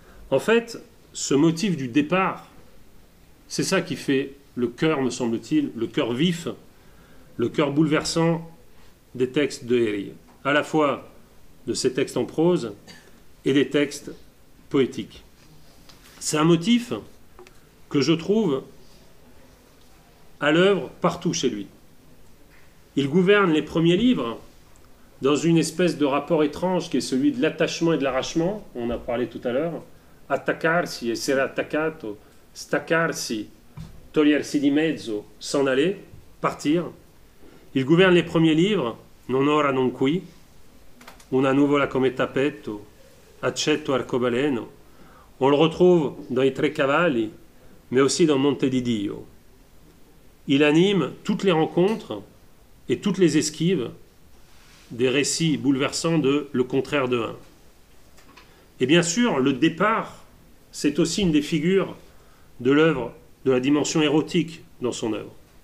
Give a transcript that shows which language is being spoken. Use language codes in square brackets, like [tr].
[fr] En fait, ce motif du départ, c'est ça qui fait le cœur, me semble-t-il, le cœur vif, le cœur bouleversant des textes de Eri, à la fois de ses textes en prose et des textes poétiques. C'est un motif que je trouve à l'œuvre partout chez lui. Il gouverne les premiers livres dans une espèce de rapport étrange qui est celui de l'attachement et de l'arrachement, on a parlé tout à l'heure. [it] Attaccarsi, essere attaccato, staccarsi, togliersi di mezzo, [fr] s'en aller, partir. Il gouverne les premiers livres, non ora non qui, una nuvola come tappeto, accetto arcobaleno. On le retrouve dans I Tre Cavalli, mais aussi dans Monte di Dio. Il anime toutes les rencontres et toutes les esquives des récits bouleversants de Le contraire de un. Et bien sûr, le départ, c'est aussi une des figures de l'œuvre, de la dimension érotique dans son œuvre.